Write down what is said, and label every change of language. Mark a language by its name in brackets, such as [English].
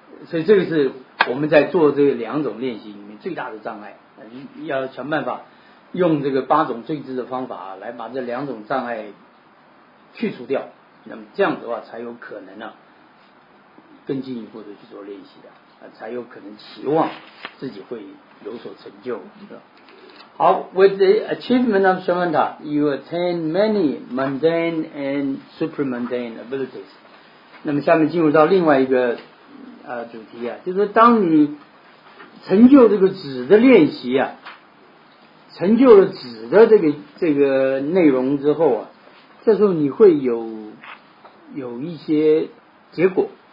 [Chinese] 这个是我们在做这两种练习里面最大的障碍，要想办法用这个八种最智的方法来把这两种障碍去除掉，那么这样的话才有可能呢、啊、更进一步的去做练习的。才有可能期望自己会有所成就，是吧？ [English] 好 ，with the achievement of samatha, you attain many mundane and supramundane abilities. [Chinese] 那么下面进入到另外一个主题啊，就是说当你成就这个止的练习啊，成就了止的这个内容之后啊，这时候你会有一些结果。